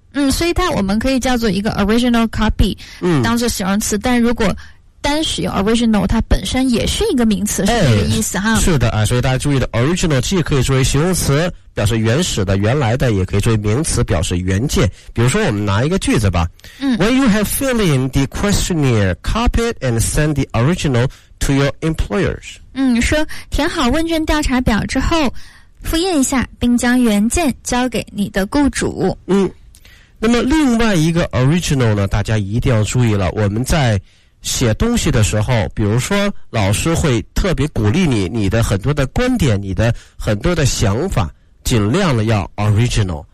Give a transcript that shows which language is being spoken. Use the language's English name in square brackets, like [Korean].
[Chinese] 嗯，所以它我们可以叫做一个 original copy， 当做形容词，但如果单使用 original， 它本身也是一个名词，是这个意思哈。是的啊，所以大家注意的 ，original 既可以作为形容词，表示原始的、原来的，也可以作为名词，表示原件。比如说，我们拿一个句子吧。 [English] When you have filled in the questionnaire, copy it and send the original to your employers. [Chinese] 说填好问卷调查表之后，复印一下，并将原件交给你的雇主。那么另外一个 original 呢，大家一定要注意了，我们在写东西的时候，比如说老师会特别鼓励你，你的很多的观点，你的很多的想法尽量的要 original